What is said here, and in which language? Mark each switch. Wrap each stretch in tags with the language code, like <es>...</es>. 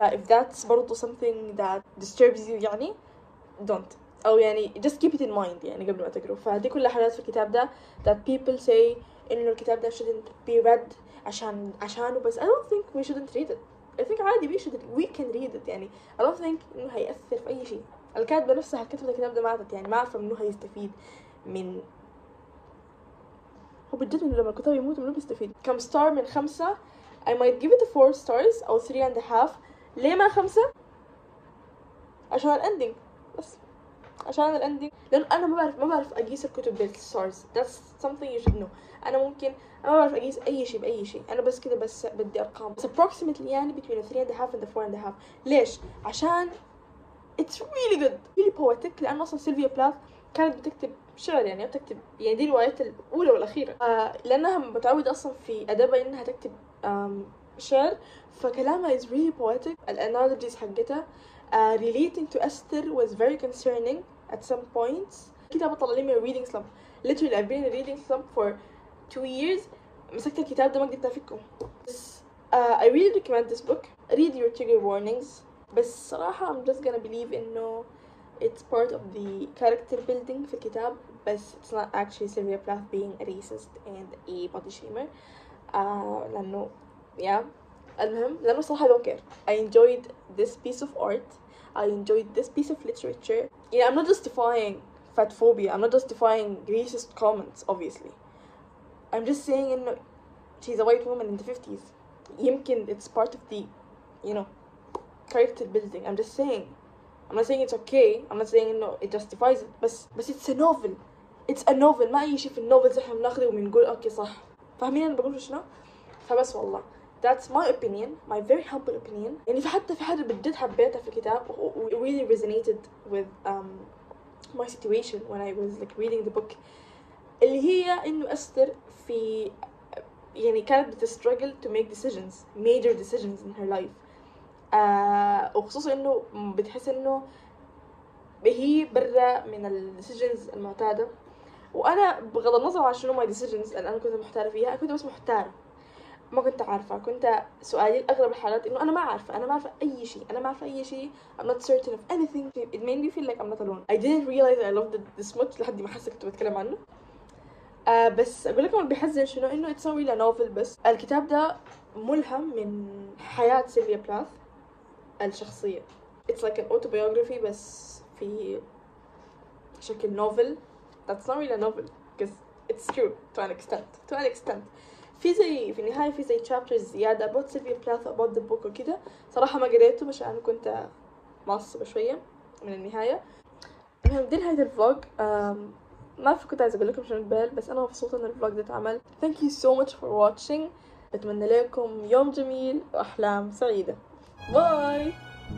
<en>if that's برضه something that disturbs you يعني don't، او يعني just keep it in mind يعني</en> <ar>قبل ما تقروا. فهذه كل حاجات في الكتاب ده</ar> <en>that people say</en> <ar>انه الكتاب ده</ar> <en>shouldn't be read</en> <ar>عشانه، بس</ar> <en>I don't think we shouldn't read it. I think</en> <ar>عادي</ar> <en>we can read it.</en> <ar>يعني</ar> <en>I don't think</en> <ar>إنه هيأثر في أي شيء. الكاتبة نفسها كتبت الكتاب ده ما عادت، يعني ما أعرف منه هيستفيد من هو بجد. إنه لما الكتاب يموت منه بيستفيد. كم star من 5؟</ar> <en>I might give it a 4 stars أو 3.5.</en> <ar>ليه ما 5؟ عشان الending، بس عشان الending. لأن أنا ما بعرف أقيس الكتب بال stars.</ar> <en>that's something you should know.</en> <ar>أنا ممكن ما بعرف أقيس أي شيء بأي شيء، أنا بس كده بس بدي أرقام.</ar> <en>بس approximately</en> <ar>يعني</ar> <en>between the 3.5 and the 4.5.</en> <ar>ليش؟ عشان</ar> <en>it's really good really poetic،</en> <ar>لأن أصلا سيلفيا بلاث كانت بتكتب شعر، يعني بتكتب يعني دي الروايات الأولى والأخيرة، لأنها متعودة أصلا في أدبها إنها تكتب شعر، فكلامها</ar> <en>is really poetic.</en> <ar>الأناليجيز حقتها</ar> <en>relating to Esther was very concerning at some points.</en> <ar>كتاب طلع لي من</ar> <en>reading slump. literally I've been reading slump for 2 years.</en> <ar>مسكت الكتاب ده ما قدرت افكه. بس</ar> <en>I really recommend this book. Read your trigger warnings.</en> <ar>بس صراحة</ar> <en>I'm just gonna believe</en> <ar>إنه</ar> <en>it's part of the character building</en> <ar>في الكتاب. بس</ar> <en>it's not actually Sylvia Plath being a racist and a body shamer.</en> <ar>لأنه yeah. المهم لأنه صراحة</ar> <en>I don't care. I enjoyed this piece of art. I enjoyed this piece of literature. Yeah, I'm not justifying fat phobia. I'm not justifying racist comments. Obviously, I'm just saying</en> <ar>إنه</ar> <en>she's a white woman in the 50s. يمكن it's part of the, you know, character building. I'm just saying. I'm not saying it's okay. I'm not saying no, it justifies it. But it's a novel. It's a novel.</en> <ar>ما أي شيء في النوفل زي حنا نأخذه ومنقول أوكي صح. فهمين أنا بقول شنو؟ فبس والله.</ar> <en>That's my opinion. My very humble opinion.</en> <ar>يعني فحتى في حد بجد حبيته في الكتاب.</ar> <en>Really resonated with my situation when I was like reading the book.</en> <ar>اللي هي إنه أستر في يعني كانت بتستراجل</ar> <en>to make decisions, major decisions in her life.</en> <ar>وخصوصا انه بتحس انه هي برا من ال decisions المعتادة. وانا بغض النظر عن شنو</ar> <en>my decisions</en> <ar>اللي انا كنت محتارة فيها, كنت بس محتارة, ما كنت عارفة. كنت سؤالي الاغلب الحالات انه انا ما عارفة, انا ما عارفة اي شيء, انا ما عارفة اي شيء.</ar> <en>I'm not certain of anything. It made me feel like I'm not alone. I didn't realize I loved this much</en> <ar>لحد ما حسيت كنت بتكلم عنه. بس أقول لكم اللي بيحزن شنو, إنه</ar> <en>it's not really a novel.</en> <ar>بس الكتاب ده ملهم من حياة سيلفيا بلاث الشخصية.</ar> <en>it's like an autobiography</en> <ar>بس في شكل</ar> <en>novel. that's not really a novel because it's true to an extent.</en> <ar>to an extent في زي في النهاية في زي chapters زيادة about سيلفيا بلاث,</ar> <en>about the book</en> <ar>وكده. صراحة ما قريته مشان كنت معصبة شوية من النهاية. المهم دي نهاية الفلوج. ما في كنت عايز اقول لكم شنو البال, بس انا مبسوطة ان الفلوج ده اتعمل.</ar> <en>thank you so much for watching.</en> <ar>اتمنى لكم يوم جميل واحلام سعيدة. باي.</ar>